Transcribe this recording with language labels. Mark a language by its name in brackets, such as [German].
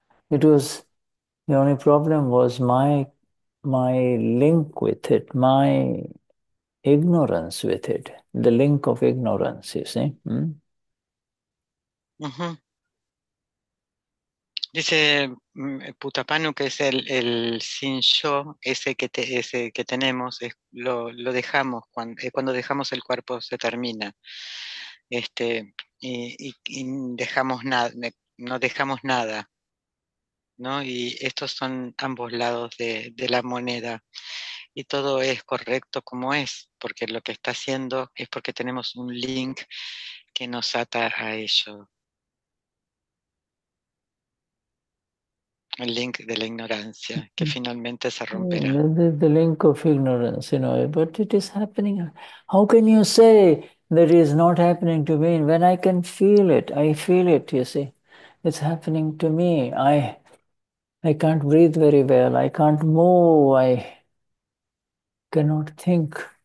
[English] It was the only problem was my link with it, my ignorance with it, the link of ignorance, you see. [Spanish] Dice Putapanu que es el sin yo, ese que tenemos, es, lo dejamos cuando dejamos el cuerpo se termina. Y dejamos nada, no dejamos nada, ¿no? Y estos son ambos lados de la moneda. Y todo es correcto como es, porque lo que está haciendo es porque tenemos un link que nos ata a ello. El link de la ignorancia que finalmente se romperá. [English] The link of ignorance, you know, but it is happening. How can you say that it is not happening to me when I can feel it? I feel it, you see. It's happening to me. I can't breathe very well. I can't move. I cannot think.